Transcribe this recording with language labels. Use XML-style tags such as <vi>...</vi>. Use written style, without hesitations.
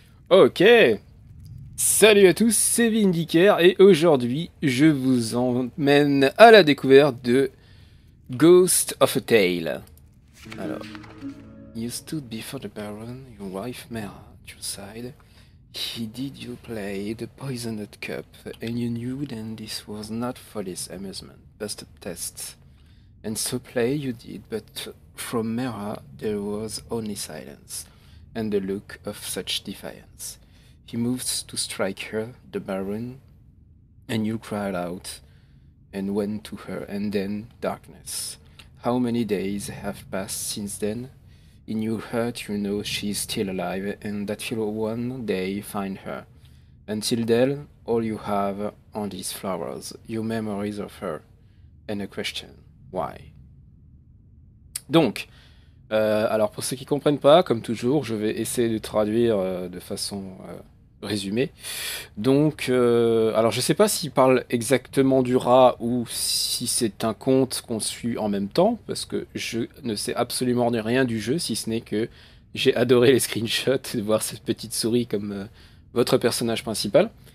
<fr>Ok, salut à tous, c'est Vindicaire et aujourd'hui je vous emmène à la découverte de Ghost of a Tale. Alors,</fr> <en>you stood before the Baron, your wife Mera, at your side. He did you play the poisoned cup and you knew then this was not for this amusement, but a test. And so play you did, but from Mera there was only silence. And the look of such defiance. He moves to strike her, the Baron, and you cried out and went to her, and then darkness. How many days have passed since then? In your heart, you know she is still alive and that you'll one day find her. Until then, all you have are these flowers, your memories of her, and a question: why?</en> <fr>Donc, alors pour ceux qui comprennent pas, comme toujours, je vais essayer de traduire de façon résumée. Donc, alors je sais pas s'il parle exactement du rat ou si c'est un conte qu'on suit en même temps, parce que je ne sais absolument rien du jeu, si ce n'est que j'ai adoré les screenshots de voir cette petite souris comme votre personnage principal.</fr>